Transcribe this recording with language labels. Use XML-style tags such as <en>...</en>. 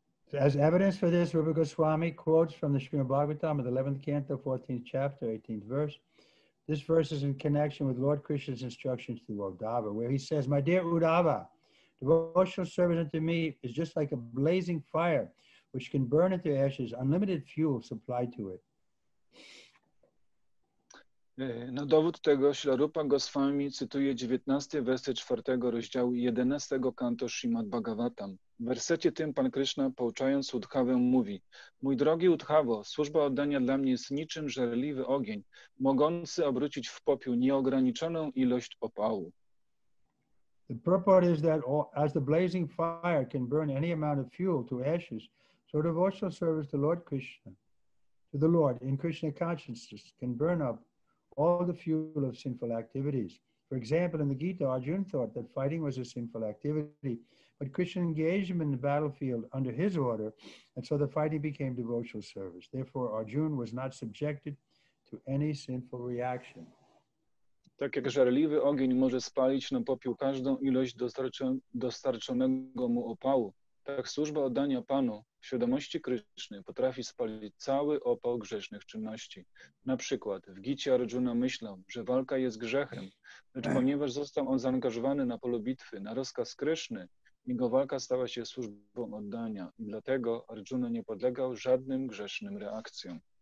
<en>So as evidence for this, Rupa Goswami quotes from the Srimad Bhagavatam of the 11th canto, 14th chapter, 18th verse. This verse is in connection with Lord Krishna's instructions to Uddhava, where he says, my dear Uddhava, devotional service unto me is just like a blazing fire which can burn into ashes, unlimited fuel supplied to it.</en> <pl>Na dowód tego Śla Rupa Goswami cytuje 19 werset 4 rozdziału 11 kanto Srimad Bhagavatam. W wersecie tym Pan Krishna, pouczając Uddhavę, mówi: mój drogi Uddhavo, służba oddania dla mnie jest niczym żarliwy ogień, mogący obrócić w popiół nieograniczoną ilość opału.</pl> <en>The purport is that all, as the blazing fire can burn any amount of fuel to ashes, so devotional service to the Lord in Krishna consciousness can burn up all the fuel of sinful activities. For example, in the Gita, Arjuna thought that fighting was a sinful activity, but Krishna engaged him in the battlefield under his order, and so the fighting became devotional service. Therefore, Arjuna was not subjected to any sinful reaction.</en> <pl>Tak jak żarliwy ogień może spalić na popiół każdą ilość dostarczonego mu opału, tak służba oddania Panu w świadomości Kryszny potrafi spalić cały opał grzesznych czynności. Na przykład w Gicie Arjuna myślał, że walka jest grzechem, lecz ponieważ został on zaangażowany na polu bitwy, na rozkaz Kryszny, jego walka stała się służbą oddania i dlatego Arjuna nie podlegał żadnym grzesznym reakcjom.</pl>